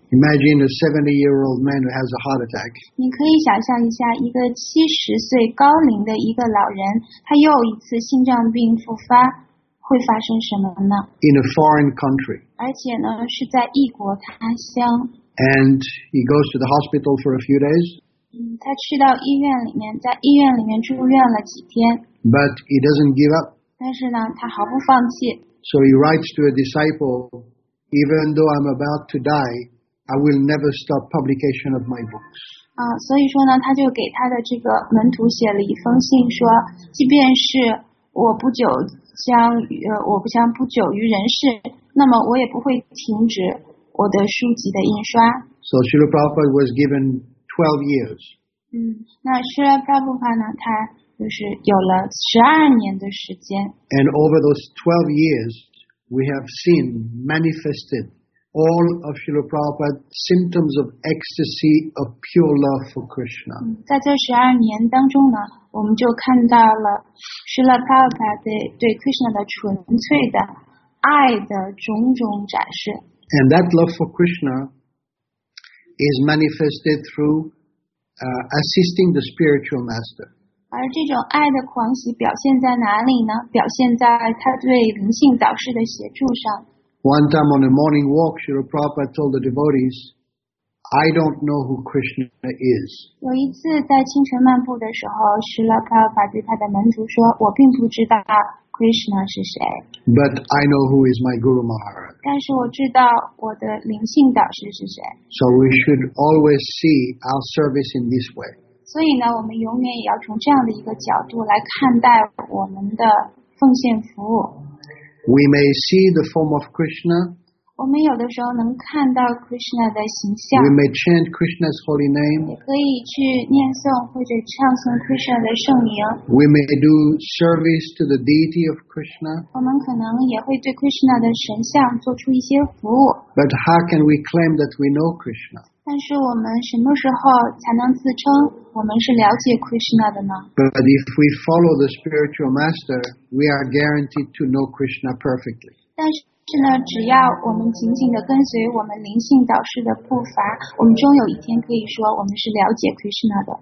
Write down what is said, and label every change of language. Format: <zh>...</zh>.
<en>Imagine a 70-year-old man who has a heart attack.</en> <zh>你可以想象一下，一个70岁高龄的一个老人，他又一次心脏病复发，会发生什么呢</zh> <en>？In a foreign country.</en> <zh>而且呢，是在异国他乡。</zh> <en>And he goes to the hospital for a few days.</en> <zh>他去到医院里面，在医院里面住院了几天。</zh> <en>But he doesn't give up.</en> <zh>但是呢，他毫不放弃。</zh> <en>So he writes to a disciple, even though I'm about to die, I will never stop publication of my books.</en> <zh>所以说呢，他就给他的这个门徒写了一封信，说，即便是我不久于人世，那么我也不会停止我的书籍的印刷。</zh> <en>So Śrīla Prabhupāda was given 12 years.</en> <zh>那Śrīla Prabhupāda 呢，他就是有了十二年的时间。</zh> <en>And over those 12 years, we have seen manifested all of Śrīla Prabhupāda's symptoms of ecstasy of pure love for Krishna.</en> <zh>在这十二年当中呢，我们就看到了 Śrīla Prabhupāda 对 Krishna 的纯粹的爱的种种展示。</zh> <en>And that love for Krishna is manifested through assisting the spiritual master.</en> <zh>而这种爱的狂喜表现在哪里呢？表现在他对灵性导师的协助上。</zh> <en>One time on a morning walk, Śrīla Prabhupāda told the devotees, "I don't know who Krishna is."</en> <zh>有一次在清晨漫步的时候，Śrīla Prabhupāda对他的门徒说：“我并不知道 Krishna 是谁。</zh> <en>”But I know who is my Guru Maharaj.</en> <zh>但是我知道我的灵性导师是谁。</zh> <en>So we should always see our service in this way.</en> <zh>所以呢，我们永远也要从这样的一个角度来看待我们的奉献服务。</zh> <en>We may see the form of Krishna.</en> <zh>我们有的时候能看到 Krishna 的形象。</zh> <en>We may chant Krishna's holy name.</en> <zh>也可以去念诵或者唱诵 Krishna 的圣名。</zh> <en>We may do service to the deity of Krishna.</en> <zh>我们可能也会对 Krishna 的神像做出一些服务。</zh> <en>But how can we claim that we know Krishna?</en> <zh>但是我们什么时候才能自称我们是了解 Krishna 的呢</zh> <en>？But if we follow the spiritual master, we are guaranteed to know Krishna perfectly.</en> <zh>但是呢，只要我们紧紧地跟随我们灵性导师的步伐，我们终有一天可以说我们是了解 Krishna 的。</zh>